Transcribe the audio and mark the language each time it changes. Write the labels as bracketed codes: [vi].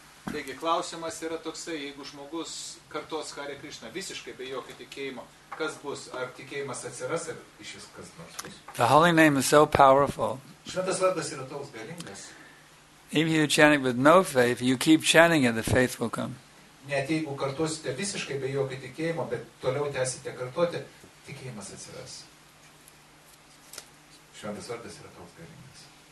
[lt] Taigi, klausimas yra toksai, jeigu žmogus kartos Hare Krishna visiškai be jokio tikėjimo, kas bus, ar tikėjimas atsiras, ar iš vis kas nors bus? [en] The holy name is so powerful. [lt] Šventas vardas yra toks galingas. [en] Even if you chant it with no faith, you keep chanting it, the faith will come. [lt] Net jeigu kartosite visiškai be jokio tikėjimo, bet toliau tęsite kartoti, tikėjimas atsiras. Šventas vardas yra toks galingas.